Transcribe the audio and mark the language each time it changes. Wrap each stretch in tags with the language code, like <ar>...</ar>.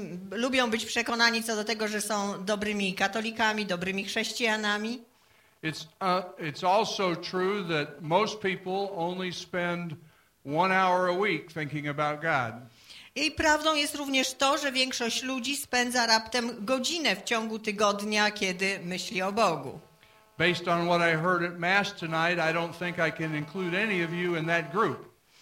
<pl>Lubią być przekonani co do tego, że są dobrymi katolikami, dobrymi chrześcijanami.</pl> <en>It's also true that most people only spend 1 hour a week thinking about God.</en> <pl>I prawdą jest również to, że większość ludzi spędza raptem godzinę w ciągu tygodnia, kiedy myśli o Bogu.</pl> <en>Based on what I heard at Mass tonight, I don't think I can include any of you in that group.</en>